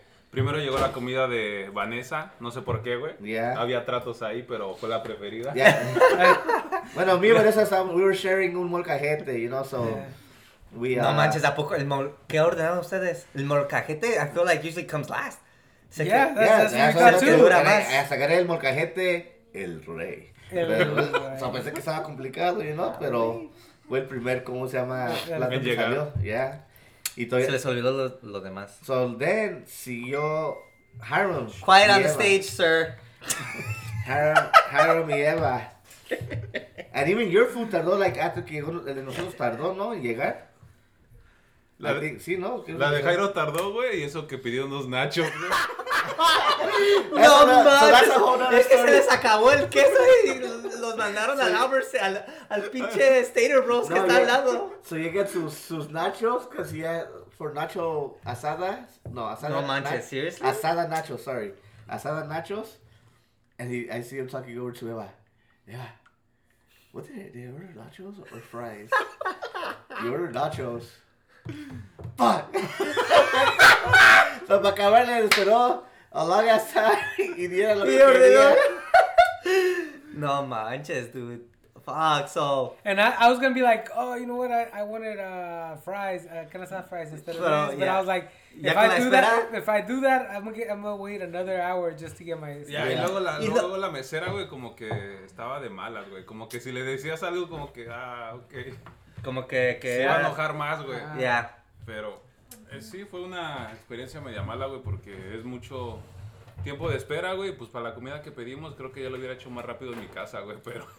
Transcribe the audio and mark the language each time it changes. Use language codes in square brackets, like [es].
[es] Primero llegó la comida de Vanessa, no sé por qué, güey. [en] Yeah. [es] Había tratos ahí, pero fue la preferida. [en] Yeah. [es] Bueno, mi [en] Vanessa, we were sharing un molcajete, you know, so yeah. [es] No manches, ¿a poco el qué ordenaron ustedes? [en] El molcajete, I feel like usually comes last. [es] Hasta que el molcajete, el rey. O sea, pensé que estaba complicado, [en] you know, [es] pero fue el primer, ¿cómo se llama? Plato que salió, [en] yeah. [es] Y todavía se les olvidó lo demás. [en] So then [es] siguió [en] Hiram. Quiet on the stage, sir. [es] Hiram y Eva. [en] And even your food [es] tardó, [en] like, after [es] que llegó, el de nosotros tardó, ¿no? En llegar. La de Jairo tardó, güey, y eso que pidió unos nachos, güey. No, mames. Es que se les acabó el queso y los mandaron al Albert, al pinche Stater Bros que está al lado. [en] So you get sus nachos, because he had for nacho asada. [es] No, asada. No manches, [en] seriously? Asada nachos, sorry. Asada nachos. And I see him talking over to Eva. Eva, what did they order, nachos or fries? You ordered nachos. Fuck. [es] So, para acabar, le esperó a [en] long ass time [es] y diera lo que quería. No manches, [en] dude. Fuck, so. And I was gonna be like, oh, you know what? I wanted fries, Carne Asada Fries instead of fries. But yeah. I was like, if I do that, I'm gonna wait another hour just to get my. Yeah, yeah. [es] Y luego la mesera, güey, como que estaba de malas, güey. Como que si le decías algo, como que, okay. Como que se va a enojar más, güey. [en] Ya. Yeah. [es] Pero sí, fue una experiencia media mala, güey, porque es mucho tiempo de espera, güey. Pues para la comida que pedimos, creo que ya lo hubiera hecho más rápido en mi casa, güey, pero.